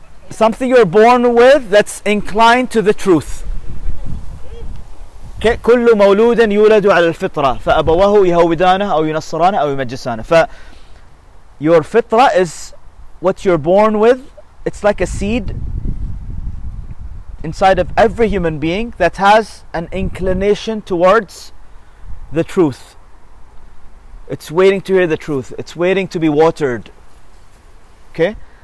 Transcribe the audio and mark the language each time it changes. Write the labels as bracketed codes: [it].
[en] Something you're born with that's inclined to the truth. [ar] كل مولود يولد على الفطرة فأبواه يهودانه أو ينصرانه أو يمجسانه. [en] Your fitra is what you're born with. It's like a seed inside of every human being that has an inclination towards the truth. It's waiting to hear the truth. It's waiting to be watered. Okay?